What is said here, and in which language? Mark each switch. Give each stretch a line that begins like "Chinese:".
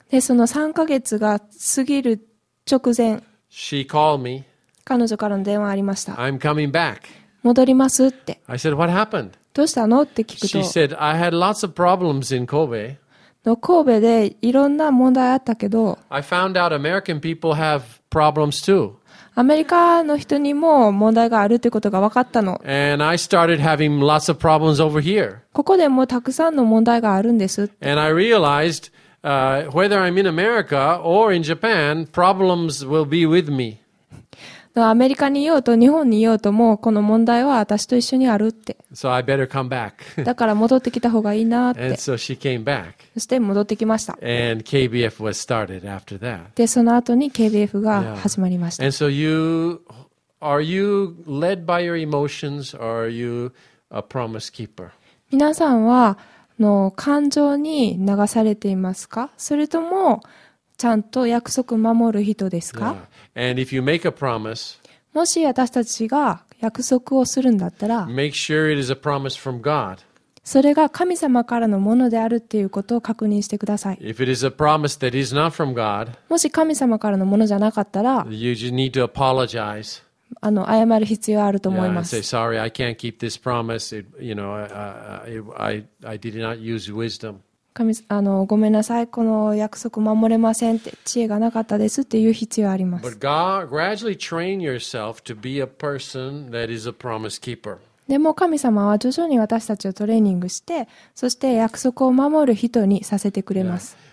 Japanese: でその3ヶ月が過ぎる直前、
English: she called me.
Japanese: 彼女からの電話ありました。
English: I'm coming back.
Japanese: 戻りますって。
English: I said, what happened?
Japanese: どうしたのって聞くと。
English: She said, I had lots of problems in Kobe.
Japanese: の神戸でいろんな問題あったけど。
English: I found out American people have problems too.
Japanese: アメリカの人にも問題があるということが分かったの。
English: And I started having lots of problems over here.
Japanese: ここでもたくさんの問題があるんです。
English: And I realized, whether I'm in America or in Japan, problems will be with me.
Japanese: アメリカにいようと日本にいようともこの問題は私と一緒にあるって。
English: So I better come back.
Japanese: だから戻ってきた方がいいなって。
English: And so she came back.
Japanese: そして戻ってきました。
English: And KBF was started after that.
Japanese: でその後に KBF が始まりました。
English: And so you are you led by your emotions or are you a promise keeper?
Japanese: 皆さんはの感情に流されていますか？それともちゃんと約束守る人ですか？
English: Yeah. And if you make a promise,
Japanese: もし私たちが約束をするんだったら、
English: make sure it is a promise from God.
Japanese: それが神様からのものであるっていうことを確認してください。
English: If it is a promise that is not from God,
Japanese: もし神様からのものじゃなかったら、
English: you just need to apologize.
Japanese: 謝る必要あると思います。
English: Yeah, and say sorry, I can't keep this promise. It, you know, I did not use wisdom.
Japanese: 神ごめんなさい、この約束守れませんって、知恵がなかったですっていう必要あります。
English: But God, gradually train yourself to be a person that is a promise keeper.
Japanese: でも神様は徐々に私たちをトレーニングして、そして約束を守る人にさせてくれます。